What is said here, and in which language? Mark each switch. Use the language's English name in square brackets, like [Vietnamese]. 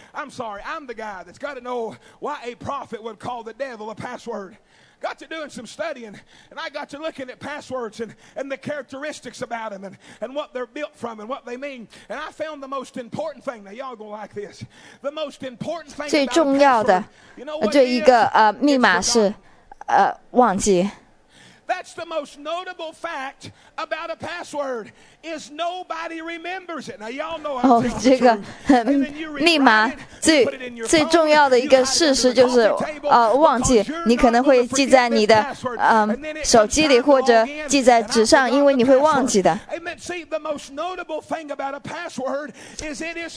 [English] I'm sorry, I'm the guy that's got to know why a prophet would call the devil a password. Got to doing some studying, and I got to looking at passwords and the characteristics about them and what they're built from and what they mean. And I found the most important thing. Now y'all gonna like this. The most important thing. [Chinese] 最重要的，这一个密码是忘记。 [English] That's the most notable fact about a password is nobody remembers it. Now y'all know I'm telling the truth. [Chinese] 这个密码最重要的一个事实就是忘记，你可能会记在你的手机里或者记在纸上，因为你会忘记的。 [English] Amen. See, the most notable thing about a password is it is